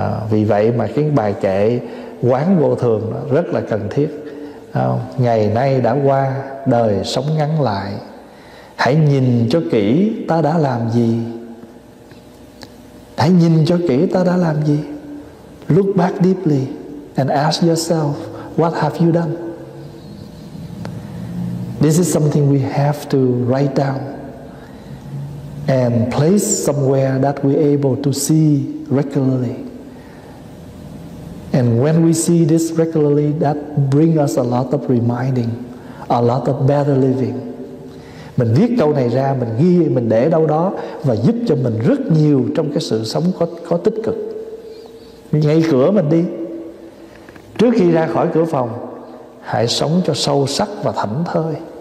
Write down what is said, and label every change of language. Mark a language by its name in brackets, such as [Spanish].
[Vietnamese] Vì vậy mà cái bài kệ quán vô thường rất là cần thiết. Ngày nay đã qua, đời sống ngắn lại, hãy nhìn cho kỹ ta đã làm gì. Hãy nhìn cho kỹ ta đã làm gì. [English] Look back deeply and ask yourself, what have you done? This is something we have to write down and place somewhere that we able to see regularly. And when we see this regularly, that bring us a lot of reminding, a lot of better living. [Vietnamese] Mình viết câu này ra, mình ghi, mình để đâu đó và giúp cho mình rất nhiều trong cái sự sống có tích cực. Ngay cửa mình đi, trước khi ra khỏi cửa phòng, hãy sống cho sâu sắc và thảnh thơi.